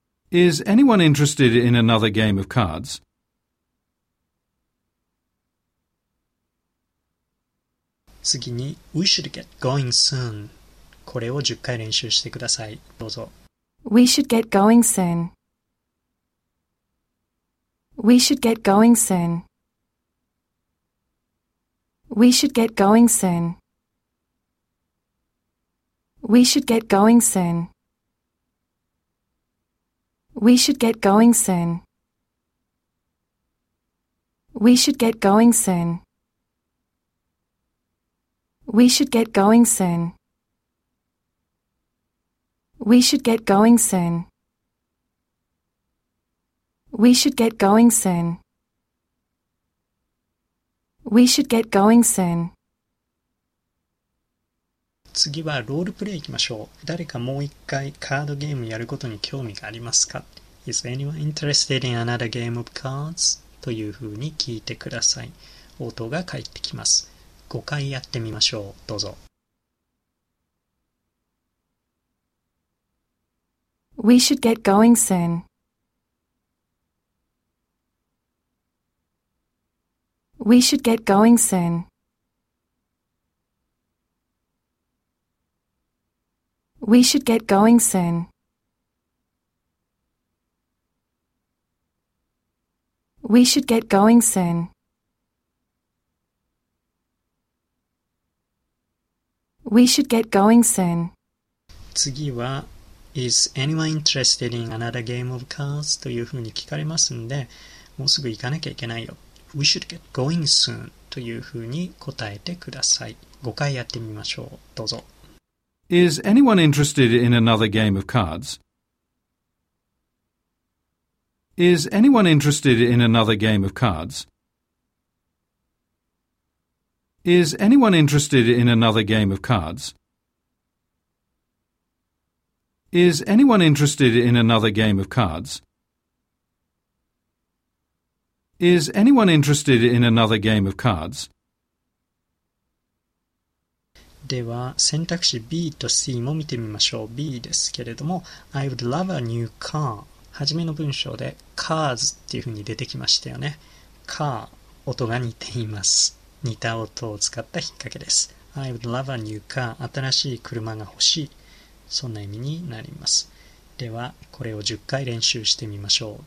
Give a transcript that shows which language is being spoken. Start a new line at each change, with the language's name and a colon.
English: Is anyone interested in another game of cards? We should get going soon.
Japanese: これを10回練習してください。どうぞ。
English: We should get going soon. We should get going soon. We should get going soon. We should get going soon. We should get going soon. We should get going soon. We should get going soon. We should get going soon. We should get going soon. We should get going soon.
Japanese: 次はロールプレイ行きましょう。誰かもう一回カードゲームやることに興味がありますか?
English: Is anyone interested in another game of cards?
Japanese: というふうに聞いてください。応答が返ってきます。5回やってみましょう。どうぞ。
English: We should get going soon. We should get going soon. We should get going soon. We should get going soon. We should get going soon.
Japanese: 次は
English: Is anyone interested in another game of cards?
Japanese: というふうに聞かれますんで、もうすぐ行かなきゃいけないよ。
English: We should get going soon
Japanese: というふうに答えてください。 5回やってみましょう。どうぞ。
English: Is anyone interested in another game of cards? Is anyone interested in another game of cards? Is anyone interested in another game of cards? Is anyone interested in another game of cards? Is anyone interested in another game of cards?
Japanese: では選択肢 B と C も見てみましょう。
English: B
Japanese: ですけれども、
English: I would love a new car。
Japanese: はじめの文章で cars っていうふうに出てきましたよね。 car、 音が似ています。似た音を使った引っ掛けです。
English: I would love a new car。
Japanese: 新しい車が欲しい、そんな意味になります。ではこれを10回練習してみましょう。